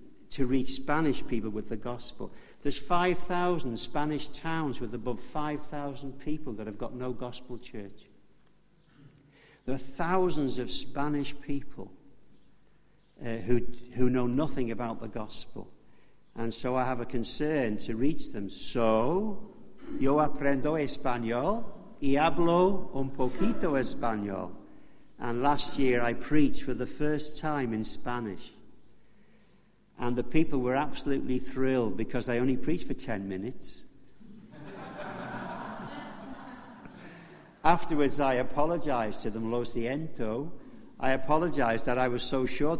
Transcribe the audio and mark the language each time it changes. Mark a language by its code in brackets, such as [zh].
[en] to reach Spanish people with the gospel. There's 5,000 Spanish towns with above 5,000 people that have got no gospel church. There are thousands of Spanish people who know nothing about the gospel. And so I have a concern to reach them. [es] So, yo aprendo español y hablo un poquito español. [en] And last year I preached for the first time in Spanish. And the people were absolutely thrilled because I only preached for 10 minutes. Afterwards, I apologized to them, [es] lo siento. [en] I apologized that I was so short.